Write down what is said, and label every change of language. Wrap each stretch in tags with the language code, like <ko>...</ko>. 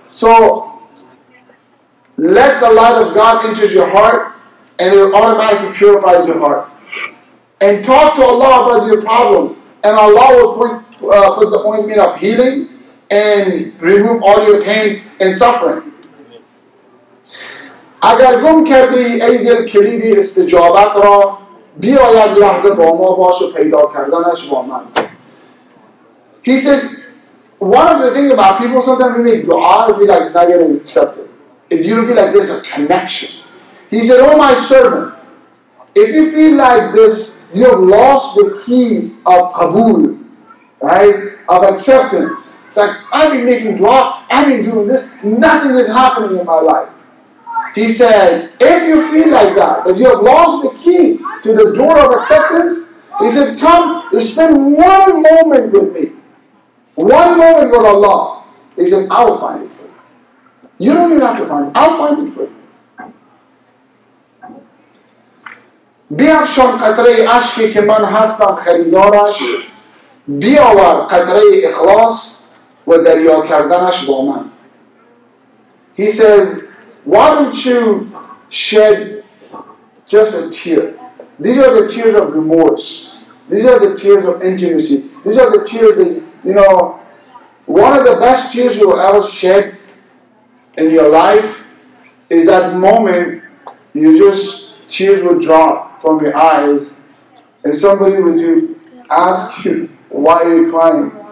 <en>So, let the light of God enter your heart, and it automatically purifies your heart. And talk to Allah about your problems, and Allah will put the ointment of healing, and remove all your pain and suffering.</en> <fa>اگر گم کردی ای دل کلیدی استجابت را بیاید لحظه با ما باش و پیدا کردنش با من.</fa> <en>He says, one of the things about people sometimes when they make dua, they feel like it's not getting accepted. And you don't feel like there's a connection. He said, oh my servant, if you feel like this, you have lost the key of qabul, right? Of acceptance. It's like, I've been making dua, I've been doing this, nothing is happening in my life. He said, if you feel like that, that you have lost the key to the door of acceptance, he said, come, spend one moment with me. One moment with Allah. He said, I will find it for you. You don't even have to find it. I'll find it for you.</en> <fa>بیفشان قطره عشقی که من هستم خریدارش بیاور قطره اخلاص و دریا کردنش با من.</fa> <en>He says, why don't you shed just a tear? These are the tears of remorse. These are the tears of intimacy. These are the tears that, you know, one of the best tears you will ever shed in your life is that moment you just, tears will drop from your eyes and somebody will do, ask you, why are you crying?</en>